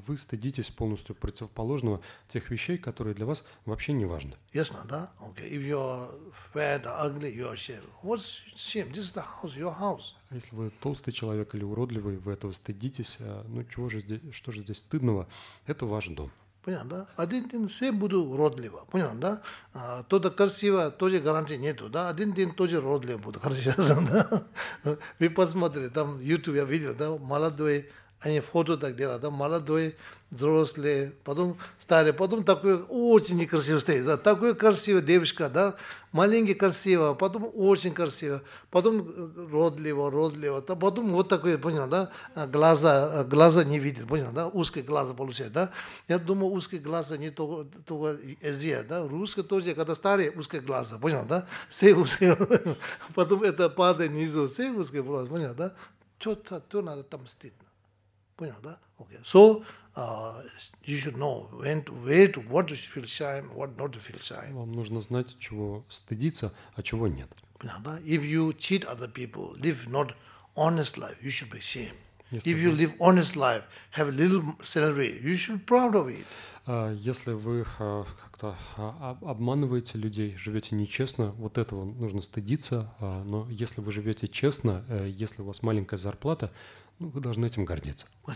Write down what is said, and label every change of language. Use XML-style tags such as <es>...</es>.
<ru>вы стыдитесь полностью противоположного тех вещей, которые для вас вообще не важны. Ясно, да?</ru> <en>Okay. If you are fat or ugly, you are ashamed. What's shame? This is the house, your house.</en> <ru>А если вы толстый человек или уродливый, вы этого стыдитесь. Ну чего же здесь, что же здесь стыдного? Это ваш дом. Понятно, да? Один день все будут уродливы, понятно, да? То-то красиво, тоже гарантии нету, да? Один день тоже уродливы будут, хорошо, да? Вы посмотрели, там YouTube я видел, да? Молодой, они фото так делают, да? Молодой, взрослый, потом старый, потом такой очень некрасивый стоит, да? Такой красивый девушка, да? Маленький красивый, потом очень красивый, потом родливый, родливый, да? Потом вот такой, понял, да, глаза не видит, понял, да, узкие глаза получают, да. Я думаю, узкие глаза не только азия, да, русские тоже, когда старые, узкие глаза, понял, да, все узкие, потом это падает внизу, все узкие глаза, понял, да, то надо там стыдно, понял, да, окей.</ru> <en>So, you should know when to wait, what to feel shame, what not to feel shame.</en> <ru>Вам нужно знать, чего стыдиться, а чего нет.</ru> <en>If you cheat other people, live not honest life, you should be ashamed. If you live honest life, have a little salary, you should be proud of it.</en> <ru>Если вы как-то обманываете людей, живете нечестно, вот этого нужно стыдиться. Но если вы живете честно, если у вас маленькая зарплата, ну, вы должны этим гордиться.</ru>